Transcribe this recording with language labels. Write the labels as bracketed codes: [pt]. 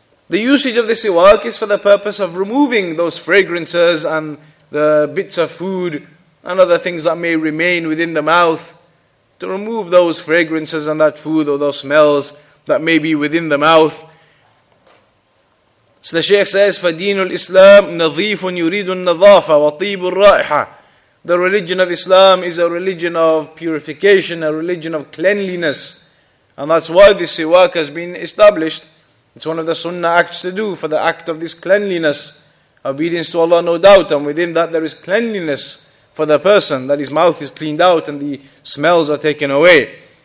[en] The usage of the siwak is for the purpose of removing those fragrances and the bits of food and other things that may remain within the mouth, to remove those fragrances and that food or those smells that may be within the mouth. So the Shaykh says, [ar] فَدِينُ الْإِسْلَامِ نَظِيفٌ يُرِيدُ النَّظَافَ وَطِيبُ الرَّائِحَةِ. [en] The religion of Islam is a religion of purification, a religion of cleanliness. And that's why this siwak has been established. It's one of the sunnah acts to do, for the act of this cleanliness. Obedience to Allah, no doubt, and within that there is cleanliness for the person, that his mouth is cleaned out and the smells are taken away.